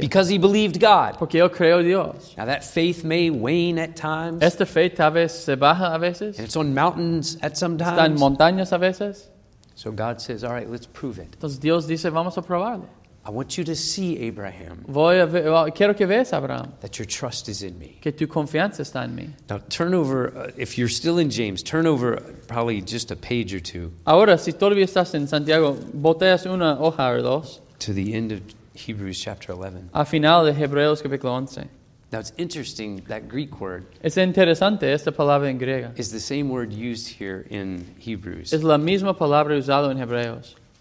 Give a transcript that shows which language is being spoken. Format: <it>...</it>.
<en>Because he believed God.</en> <es>Porque él creó Dios.</es> <en>Now that faith may wane at times.</en> <es>Esta fe tal vez se baja a veces.</es> <en>And it's on mountains at some times.</en> <es>Está en montañas a veces.</es> <en>So God says, "All right, let's prove it."</en> <es>Entonces Dios dice, vamos a probarlo.</es> <en>I want you to see Abraham.</en> <es>Voy a ver, quiero que veas Abraham.</es> <en>That your trust is in me.</en> <es>Que tu confianza está en mí.</es> <en>Now turn over, if you're still in James, turn over probably just a page or two.</en> <es>Ahora, si todavía estás en Santiago, volteas una hoja o dos.</es> <en>To the end of Hebrews chapter 11.</en> <es>Al final de Hebreos capítulo 11.</es> <en>Now it's interesting, that Greek word.</en> <es>Es interesante esta palabra en griega.</es> <en>Is the same word used here in Hebrews.</en> <es>Es la misma palabra usada en Hebreos.</es>